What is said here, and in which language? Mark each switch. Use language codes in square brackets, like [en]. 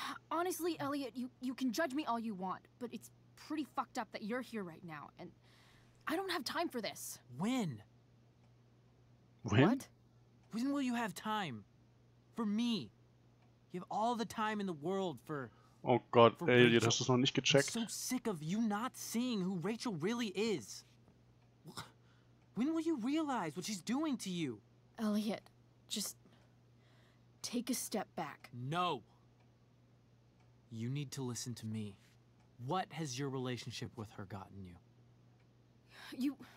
[en] Honestly, Elliot, you can judge me all you want, but it's pretty fucked up that you're here right now, and I don't have time for this. When? What? When will you have time? For me? You have all the time in the world for... Oh God, [de] Elliot, hast du es noch nicht gecheckt? [en] I'm so sick of you not seeing who Rachel really is. When will you realize what she's doing to you? Elliot, just take a step back. No. You need to listen to me. What has your relationship with her gotten you?